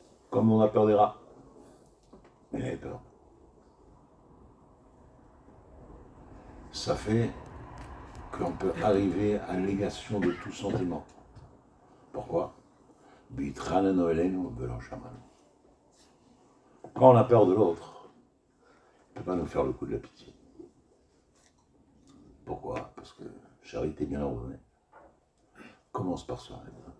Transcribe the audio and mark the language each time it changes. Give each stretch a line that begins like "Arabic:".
French: Comme on a peur des rats, il avait peur. Ça fait qu'on peut arriver à négation de tout sentiment. Pourquoi?
Hebrew: ביתחננו אלינו ולא שמענו.
French: Quand on a peur de l'autre, il ne peut pas nous faire le coup de la pitié. Pourquoi? Parce que charité bien ordonnée commence par soi-même.